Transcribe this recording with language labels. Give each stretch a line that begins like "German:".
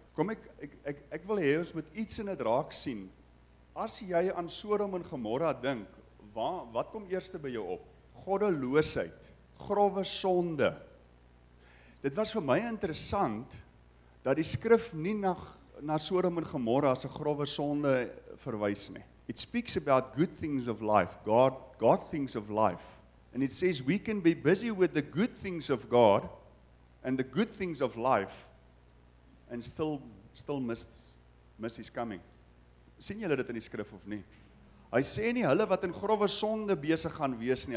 Afrikaans: Kom ek wil hê ons moet iets in dit raak sien. As jy aan Sodom en Gomorra dink, wat kom eerste by jou op? Goddeloosheid, grove sonde. Dit was vir my interessant dat die skrif nie na Sodom en Gomorra as 'n grove sonde verwys nie.
English: It speaks about good things of life, God things of life. And it says we can be busy with the good things of God and the good things of life and still miss his coming.
Afrikaans: Sien julle dit in die skrif of nie? Hy sê nie hulle wat in grove sonde besig gaan wees nie.